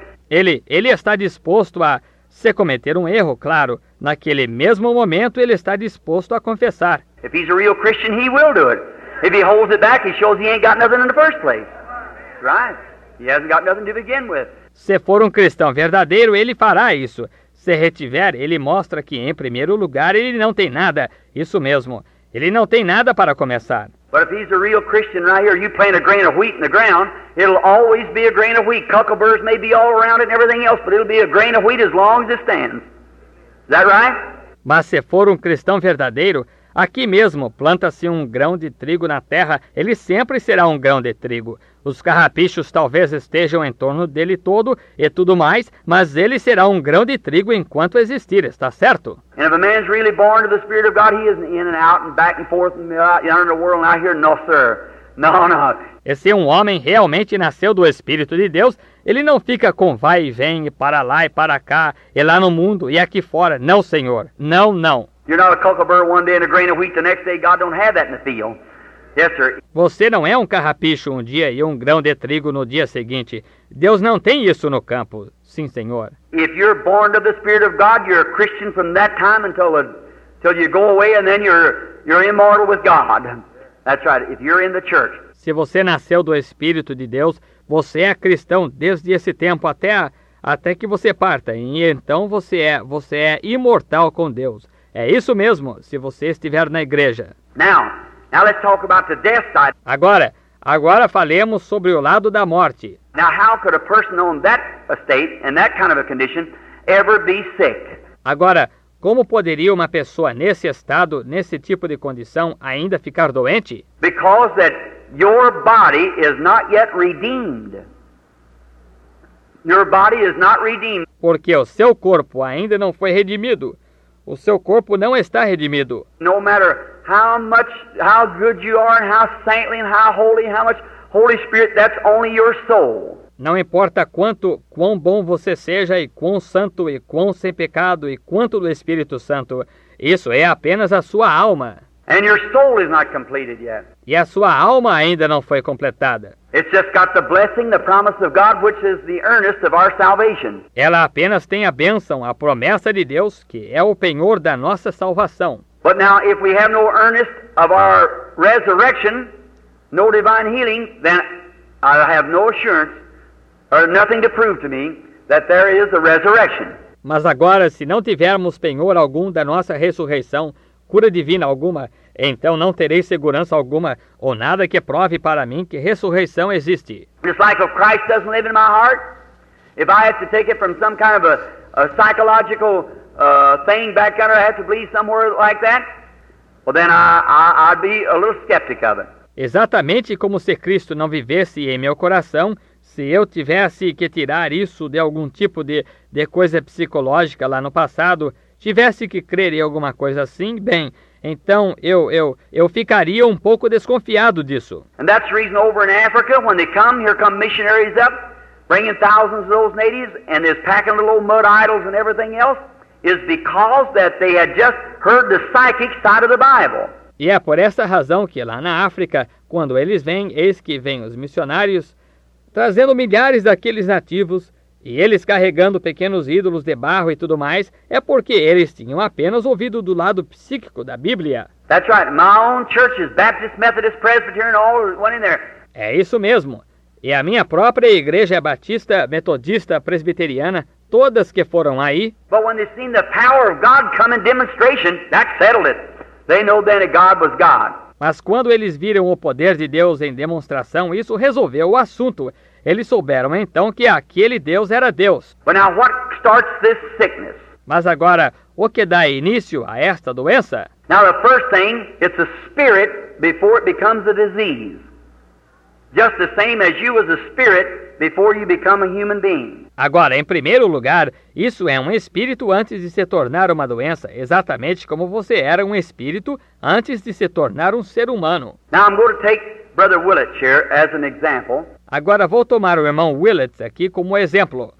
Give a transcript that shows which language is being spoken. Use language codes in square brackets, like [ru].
[pt] Ele está disposto a se cometer um erro, claro. Naquele mesmo momento, ele está disposto a confessar. [en] If he's a real Christian, he will do it. If he holds it back, he shows he ain't got nothing in the first place. Right? He hasn't got nothing to begin with. [pt] Se for um cristão verdadeiro, ele fará isso. Se retiver, ele mostra que, em primeiro lugar, ele não tem nada. Isso mesmo. Ele não tem nada para começar. [en] But if he's a real Christian right here, you plant a grain of wheat in the ground, it'll always be a grain of wheat. Cuckleburrs may be all around it and everything else, but it'll be a grain of wheat as long as it stands. Is that right? [pt] Mas se for um cristão verdadeiro, aqui mesmo, planta-se um grão de trigo na terra, ele sempre será um grão de trigo. Os carrapichos talvez estejam em torno dele todo e tudo mais, mas ele será um grão de trigo enquanto existir, está certo? [en] And if a man's really born of the Spirit of God, he isn't in and out and back and forth and out in the world and out here, no sir, no, no. [pt] E se um homem realmente nasceu do Espírito de Deus, ele não fica com vai e vem, e para lá e para cá, e lá no mundo e aqui fora, não senhor, não, não. [en] You're not a cuckleburr one day and a grain of wheat the next day, God don't have that in the field. Yes, sir. [pt] Você não é um carrapicho um dia e um grão de trigo no dia seguinte. Deus não tem isso no campo. Sim, senhor. [en] If you're born of the Spirit of God, you're a Christian from that time until you go away and then you're immortal with God. That's right. If you're in the church. [pt] Se você nasceu do Espírito de Deus, você é cristão desde esse tempo até que você parta. E então você é imortal com Deus. É isso mesmo, se você estiver na igreja. [en] Now let's talk about the death side. [pt] Agora falemos sobre o lado da morte. [en] Now how could a person on that estate and that kind of a condition ever be sick? [pt] Agora, como poderia uma pessoa nesse estado, nesse tipo de condição, ainda ficar doente? [en] Because that your body is not yet redeemed. Your body is not redeemed. [pt] Porque o seu corpo ainda não foi redimido. O seu corpo não está redimido. [en] No matter how much, how good you are, and how saintly, and how holy, how much Holy Spirit, that's only your soul. [pt] Não importa quanto, quão bom você seja, e quão santo, e quão sem pecado, e quanto do Espírito Santo, isso é apenas a sua alma. [en] And your soul is not completed yet. [pt] E a sua alma ainda não foi completada. [en] It's just got the blessing, the promise of God, which is the earnest of our salvation. [pt] Ela apenas tem a bênção, a promessa de Deus, que é o penhor da nossa salvação. [en] But now, if we have no earnest of our resurrection, no divine healing, then I have no assurance or nothing to prove to me that there is a resurrection. [pt] Mas agora, se não tivermos penhor algum da nossa ressurreição, cura divina alguma, então não terei segurança alguma ou nada que prove para mim que ressurreição existe. [en] Just like if Christ doesn't live in my heart, if I have to take it from some kind of a psychological thing back under, I have to believe somewhere like that, well then I'd be a little skeptic of it. [pt] Exatamente como se Cristo não vivesse em meu coração, se eu tivesse que tirar isso de algum tipo de coisa psicológica lá no passado, tivesse que crer em alguma coisa assim, bem, então eu ficaria um pouco desconfiado disso. [en] And that's the reason over in Africa, when they come, here come missionaries up, bringing thousands of those natives, and they're packing little old mud idols and everything else, is because that they had just heard the psychic side of the Bible. [pt] E é por essa razão que lá na África, quando eles vêm, eis que vêm os missionários, trazendo milhares daqueles nativos, e eles carregando pequenos ídolos de barro e tudo mais, é porque eles tinham apenas ouvido do lado psíquico da Bíblia. [en] That's right. My own church is Baptist, Methodist, Presbyterian, all one in there. [pt] É isso mesmo. E a minha própria igreja é Batista, Metodista, Presbiteriana, todas que foram aí. [en] But when they've seen the power of God come in demonstration, that settled it. They know then that God was God. [pt] Mas quando eles viram o poder de Deus em demonstração, isso resolveu o assunto. Eles souberam então que aquele Deus era Deus. [en] But now, what starts this sickness? [pt] Mas agora, o que dá início a esta doença? [en] Now the first thing, it's a spirit before it becomes a disease. Just the same as you as a spirit before you become a human being. [pt] Agora, em primeiro lugar, isso é um espírito antes de se tornar uma doença, exatamente como você era um espírito antes de se tornar um ser humano. [en] Now I'm going to take Brother Willett here as an example. [pt] Agora vou tomar o irmão Willett aqui como exemplo.